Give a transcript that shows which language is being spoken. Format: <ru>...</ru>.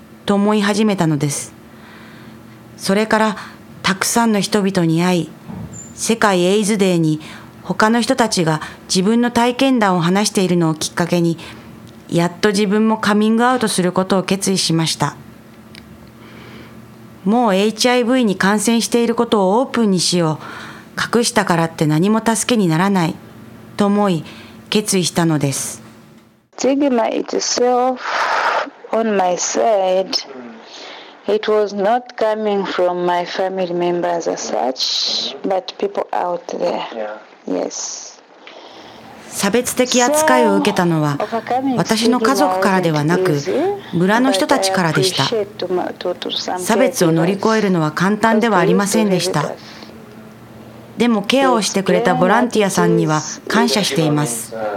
<ja>と思い始めたのです。それからたくさんの人々に会い、世界エイズデーに他の人たちが自分の体験談を話しているのをきっかけに、やっと自分もカミングアウトすることを決意しました。もう HIV に感染していることをオープンにしよう、隠したからって何も助けにならないと思い決意したのです。次の一生</ja> <en>On my side, it was not coming from my family members as such, but people out there. Yes.</en> <ja>差別的扱いを受けたのは私の家族からではなく村の人たちからでした。差別を乗り越えるのは簡単ではありませんでした。でもケアをしてくれたボランティアさんには感謝しています。</ja>